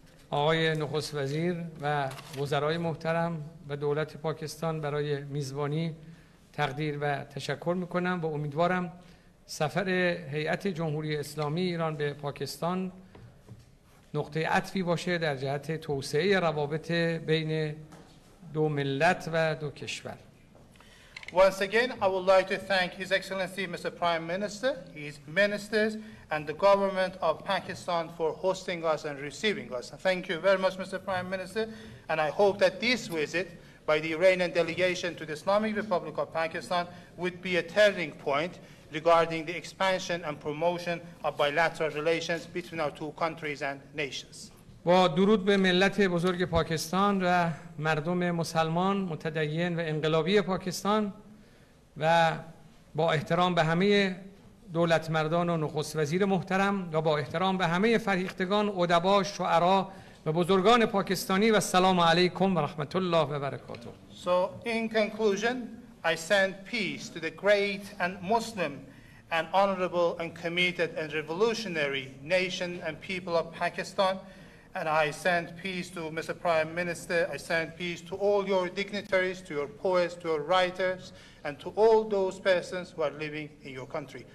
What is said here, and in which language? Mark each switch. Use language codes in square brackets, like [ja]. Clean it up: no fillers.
[fa] آقای نخست وزیر و وزرای محترم و دولت پاکستان برای میزبانی تقدیر و تشکر میکنم و امیدوارم سفر هیئت جمهوری اسلامی ایران به پاکستان نقطه عطفی باشه در جهت توسعه روابط بین دو ملت و دو کشور. [en] Once again, I would like to thank His Excellency Mr. Prime Minister, his ministers, and the government of Pakistan for hosting us and receiving us. Thank you very much, Mr. Prime Minister. And I hope that this visit by the Iranian delegation to the Islamic Republic of Pakistan would be a turning point regarding the expansion and promotion of bilateral relations between our two countries and nations. [fa] با درود به ملت بزرگ پاکستان و مردم مسلمان متدین و انقلابی پاکستان و با احترام به همه دولت مردان و نخست وزیر محترم و با احترام به همه فرهیختگان ادبا شعرا و بزرگان پاکستانی و [ar] سلام علیکم و رحمت الله و برکاته. [en] So in conclusion, I send peace to the great and Muslim and honorable and committed and revolutionary nation and people of Pakistan. And I send peace to Mr. Prime Minister, I send peace to all your dignitaries, to your poets, to your writers, and to all those persons who are living in your country.